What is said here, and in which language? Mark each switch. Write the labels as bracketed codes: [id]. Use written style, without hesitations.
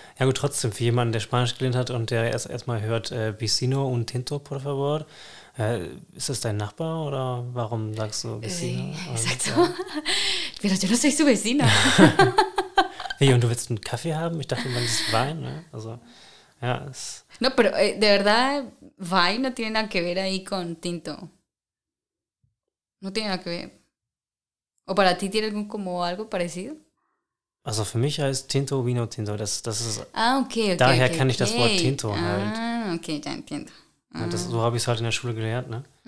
[de] Ja gut, trotzdem, für jemanden, der Spanisch gelernt hat und der erstmal hört, [es] vecino, un tinto, por favor, [de] ist das dein Nachbar oder warum sagst du vecino? [es] Exacto. Pero yo no soy su vecino. [de] Hey, und du willst einen Kaffee haben? Ich dachte, man ist Wein, ne? Also, ja, ist... [es] No, pero de verdad, wine no tiene nada que ver ahí con tinto. No tiene nada que ver. ¿O para ti tiene algún como algo parecido? [de] Also für mich heißt Tinto Vino Tinto. Das ist, okay. Daher okay, kenne ich okay. Das Wort Tinto halt. [es] Ah, okay, ja, entiendo. [de] Ja, das, so habe ich es halt in der Schule gelernt, ne?